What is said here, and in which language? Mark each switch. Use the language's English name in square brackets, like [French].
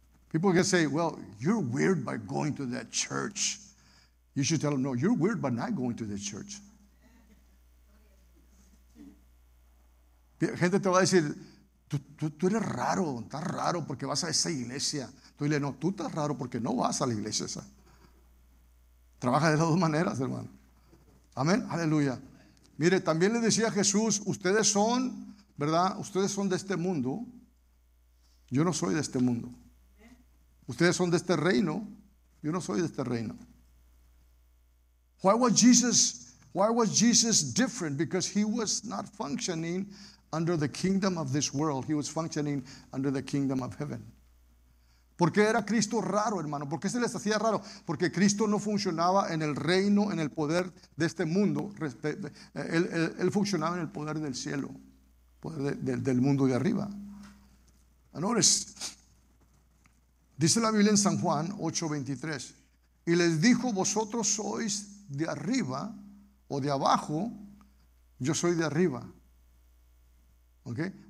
[English] People can say, well, you're weird by going to that church. You should tell them, no, you're weird by not going to the church. [Spanish] Gente te va a decir, tú eres raro, estás raro porque vas a esa iglesia. Tú dile, no, tú estás raro porque no vas a la iglesia esa. Trabaja de las dos maneras, hermano. Amén, aleluya. Mire, también le decía a Jesús, ustedes son, ¿verdad? Ustedes son de este mundo. Yo no soy de este mundo. Ustedes son de este reino. Yo no soy de este reino. [English] Why was Jesus different? Because he was not functioning under the kingdom of this world. He was functioning under the kingdom of heaven. [Spanish] ¿Por qué era Cristo raro, hermano? ¿Por qué se les hacía raro? Porque Cristo no funcionaba en el reino, en el poder de este mundo. Él funcionaba en el poder del cielo, poder del mundo de arriba. Honores. Dice la Biblia en San Juan 8:23, y les dijo, vosotros sois de arriba o de abajo, yo soy de arriba. ¿Okay?